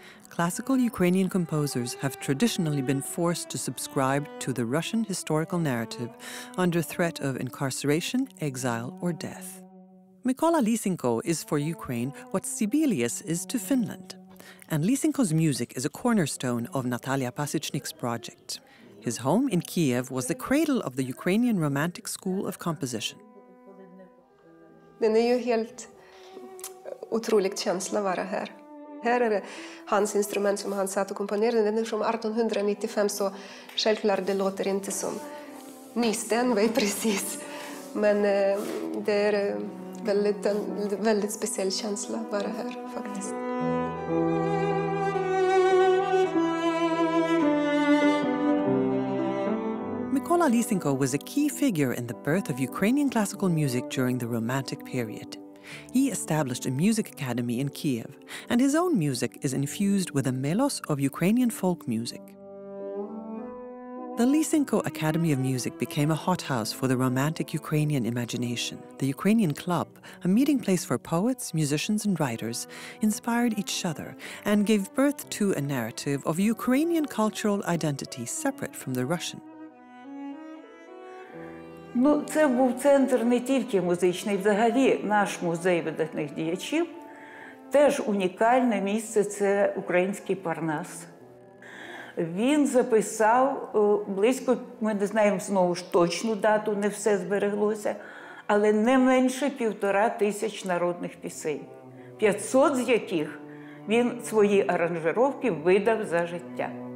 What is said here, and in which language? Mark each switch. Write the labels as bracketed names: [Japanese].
[English] Classical Ukrainian composers have traditionally been forced to subscribe to the Russian historical narrative under threat of incarceration, exile, or death. Mykola Lysenko is for Ukraine what Sibelius is to Finland, and Lysenko's music is a cornerstone of Natalya Pasichnyk's project. His home in Kiev was the cradle of the Ukrainian Romantic school of composition. [Swedish] Det är ju helt otroligt känsla vara här. Här är hans instrument som han satt och komponerade. Den är från 1895, så självklart det låter inte som nysten, precis. Men det är väldigt, väldigt speciell känsla vara här faktiskt. [English] Mykola Lysenko was a key figure in the birth of Ukrainian classical music during the Romantic period. He established a music academy in Kiev, and his own music is infused with a melos of Ukrainian folk music. The Lysenko Academy of Music became a hothouse for the Romantic Ukrainian imagination. The Ukrainian Club, a meeting place for poets, musicians, and writers, inspired each other and gave birth to a narrative of Ukrainian cultural identity separate from the Russian. [Ukrainian] Ну, це був центр не тільки музичний, взагалі наш музей видатних діячів. Теж унікальне місце – це український Парнас. Він записав близько, ми не знаємо знову ж точну дату, не все збереглося, але не менше 1500 народних пісень, 500 з яких він свої аранжировки видав за життя.